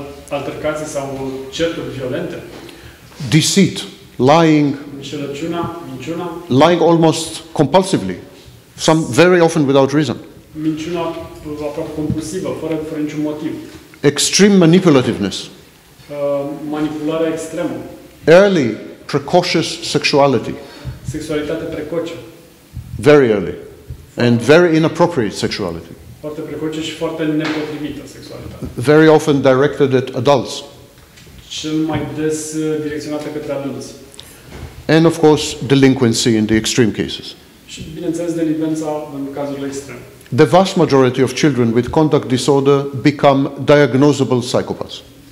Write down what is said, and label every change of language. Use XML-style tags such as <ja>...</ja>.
<ro>Altercații sau certuri violente.</ro> <en>Deceit, lying.</en> <ro>Înșelăciunea, minciuna.</ro> <en>Lying almost compulsively, some very often without reason.</en> <ro>Minciuna aproape compulsivă, fără niciun motiv.</ro> <en>Extreme manipulativeness.</en> <ro>Manipularea extremă.</ro> <en>Early precocious sexuality.</en> <ro>Sexualitate precoce.</ro> <en>Very early. And very inappropriate sexuality.</en> <ro>Foarte precoce și foarte nepotrivită sexualitate.</ro> <en>Very often directed at adults.</en> <ro>Cel mai des direcționată către adulți.</ro> <en>And of course, delinquency in the extreme cases.</en> <ro>Și bineînțeles, delinvența în cazurile extreme.</ro> <en>The vast majority of children with conduct disorder become diagnosable psychopaths.</en>